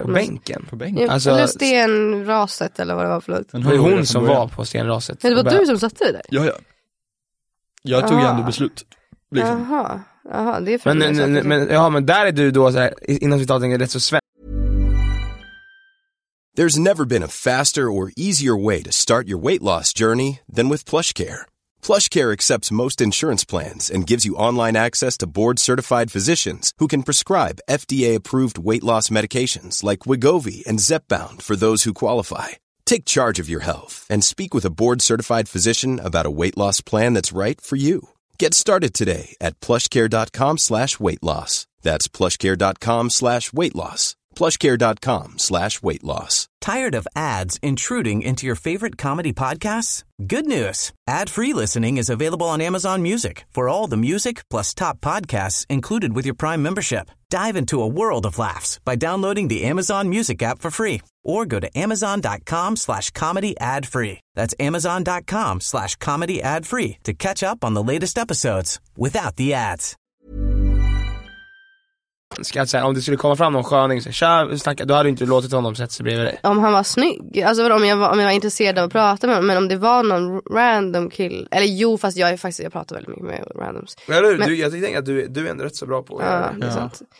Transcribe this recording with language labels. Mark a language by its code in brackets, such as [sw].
[sv] På bänken. Ja, alltså, eller stenraset eller vad det var för något. Det var hon som var på stenraset. Men det var du som satte dig där. Ja. Jag tog ändå beslutet liksom. Jaha, det är men där är du då så här, innan vi tar det rätt så svensk. [en] There's never been a faster or easier way to start your weight loss journey than with PlushCare. PlushCare accepts most insurance plans and gives you online access to board-certified physicians who can prescribe FDA-approved weight loss medications like Wegovy and Zepbound for those who qualify. Take charge of your health and speak with a board-certified physician about a weight loss plan that's right for you. Get started today at PlushCare.com/weightloss. That's PlushCare.com/weightloss. PlushCare.com/weightloss. Tired of ads intruding into your favorite comedy podcasts? Good news. Ad-free listening is available on Amazon Music for all the music plus top podcasts included with your Prime membership. Dive into a world of laughs by downloading the Amazon Music app for free or go to Amazon.com/comedy ad free. That's Amazon.com/comedy ad free to catch up on the latest episodes without the ads. [sv] svensk. Att, så här, om det skulle komma fram någon sköning, så här, tja, snacka, då hade du inte låtit honom sätta sig bredvid dig. Om han var snygg, alltså vadå, om jag var intresserad av att prata med honom. Men om det var någon random kill, eller jo, fast jag är faktiskt, jag pratar väldigt mycket med randoms. Eller men, du, jag tänker att du är ändå rätt så bra på det. Ja, det är sant.